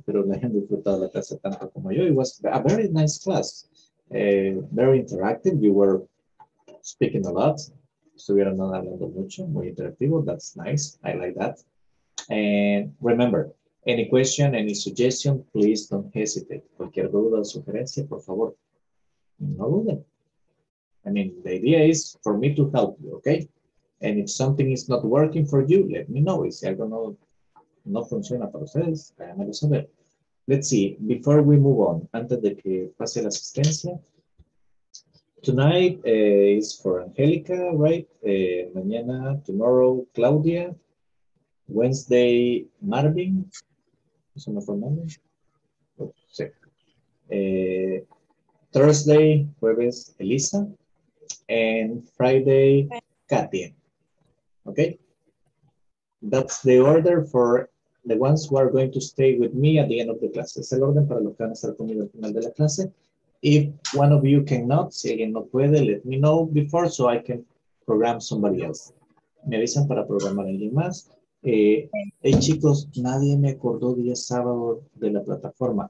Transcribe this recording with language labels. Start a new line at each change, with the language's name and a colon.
Spanish: Espero que hayan disfrutado la clase tanto como yo.
English: It was a very nice class, very interactive. You were speaking a lot.
Spanish: Estuvieron hablando mucho, muy interactivo.
English: That's nice. I like that. And remember, any question, any suggestion, please don't hesitate.
Spanish: Cualquier duda o sugerencia, por favor, no dude.
English: I mean, the idea is for me to help you, okay? And if something is not working for you, let me know.
Spanish: Si algo no funciona para ustedes, háganmelo saber.
English: Let's see, before we move on,
Spanish: antes de que pase la asistencia,
English: tonight is for Angelica, right?
Spanish: Mañana, tomorrow, Claudia. Wednesday, Marvin. Eso no fue nombre. Sí. Thursday, jueves, Elisa.
English: And Friday, Katia. Okay? That's the order for the ones who are going to stay with me at the end of the class.
Spanish: Es el orden para los que van a estar conmigo al final de la clase.
English: If one of you cannot,
Spanish: si alguien no puede,
English: let me know before so I can program somebody else.
Spanish: Me avisan para programar a alguien más. Hey chicos, nadie me acordó día sábado de la plataforma.